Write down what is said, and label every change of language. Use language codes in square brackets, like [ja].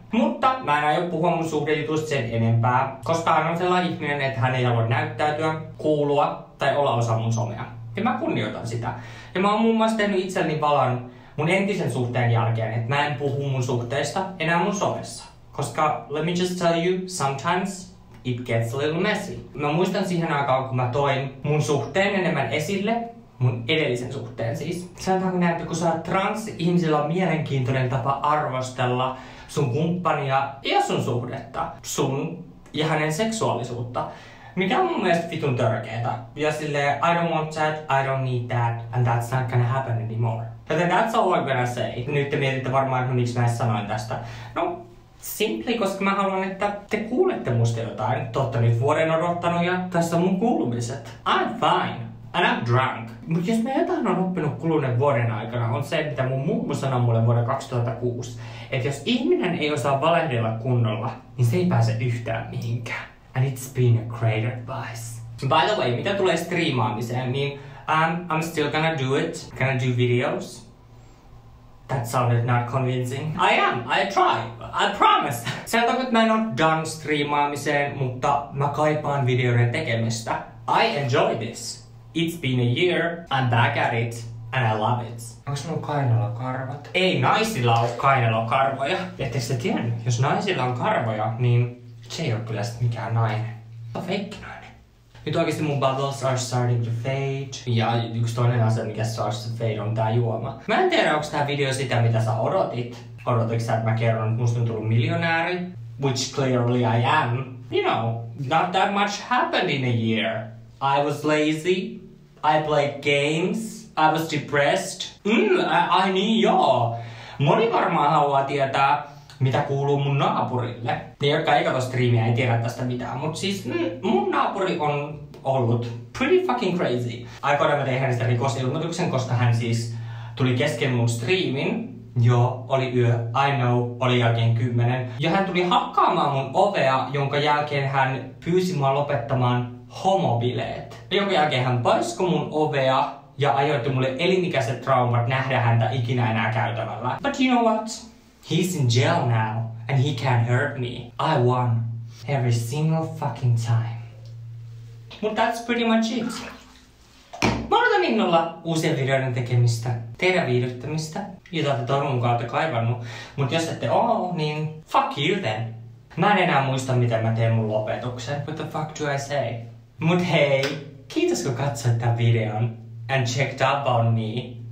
[fi] Mutta mä en aio puhua mun suhdejutusta sen enempää, koska hän on sellainen ihminen, että hän ei halua näyttäytyä, kuulua tai olla osa mun somea. Ja mä kunnioitan sitä. Ja mä oon muun muassa tehnyt itselleni valan mun entisen suhteen jälkeen, että mä en puhu mun suhteista enää mun somessa. Koska, [en] let me just tell you, sometimes it gets a little messy. [fi] Mä muistan siihen aikaan, kun mä toin mun suhteen enemmän esille, mun edellisen suhteen siis. Sanotaanko näin, että kun sä oot trans, ihmisillä on mielenkiintoinen tapa arvostella sun kumppania ja sun suhdetta, sun ja hänen seksuaalisuutta. Mikä on mun mielestä vitun törkeetä. Ja silleen, [en] I don't want that, I don't need that, and that's not gonna happen anymore. [fi] Joten [en] that's all I'm gonna say. [fi] Nyt te mietitte varmaan, että miksi mä sanoin tästä. No, simply, koska mä haluan, että te kuulette musta jotain. Totta nyt vuoden odottanut ja tässä on mun kuulumiset. [en] I'm fine. And I'm drunk. [fi] Mut jos mä jotain on oppinut kuluneen vuoden aikana, on se, mitä mun mummu sanoi mulle vuoden 2006. Että jos ihminen ei osaa valehdella kunnolla, niin se ei pääse yhtään mihinkään. [en] And it's been a great advice. By the way, [fi] mitä tulee striimaamiseen, niin [en] I'm still gonna do it. Gonna do videos. That sounded not convincing. I am. I try. I promise. [fi] Sen takia, että mä en oo done striimaamiseen, mutta mä kaipaan videoiden tekemistä. [en] I enjoy this. It's been a year. I'm back at it. And I love it. [fi] Onks mun kainalokarvat? Ei naisilla oo kainalokarvoja. Etteks sä tiennyt? Jos naisilla on karvoja, niin se ei oo kyllä sit mikään nainen. Se on feikki nainen. Nyt oikeesti mun [en] bubbles are starting to fade. [fi] Ja yks toinen asia, mikä [en] starts to fade, [fi] on tää juoma. Mä en tiedä, onks tää video sitä, mitä sä odotit. Odotitko sä, että mä kerron, että musta on tullut miljonääri? [en] Which clearly I am. You know, not that much happened in a year. I was lazy. I played games. I was depressed. I [fi] niin joo. Moni varmaan haluaa tietää, mitä kuuluu mun naapurille. Ne, jotka ei kato striimiä, ei tiedä tästä mitään. Mut siis mun naapuri on ollut [en] pretty fucking crazy. [fi] Aikoinaan mä tein hänestä rikosilmoituksen, koska hän siis tuli kesken mun striimin. Joo, oli yö. [en] I know, [fi] oli jälkeen 10. Ja hän tuli hakkaamaan mun ovea, jonka jälkeen hän pyysi mua lopettamaan homobileet. Jonka jälkeen hän paisko mun ovea ja ajoitti mulle elinikäiset traumat nähdä häntä ikinä enää käytävällä. [en] But you know what? He's in jail now, and he can't hurt me. I won. Every single fucking time. But that's pretty much it. [fi] Mä odotan innolla uusien videoiden tekemistä, teidän viihdyttämistä, jota te toivon mukaan olette kaivannut. Mut jos ette oo, niin [en] fuck you then. [fi] Mä en enää muista, miten mä teen mun lopetuksen. [en] What the fuck do I say? [fi] Mut hei, kiitos kun katsoit tän videon [en] and checked up on me.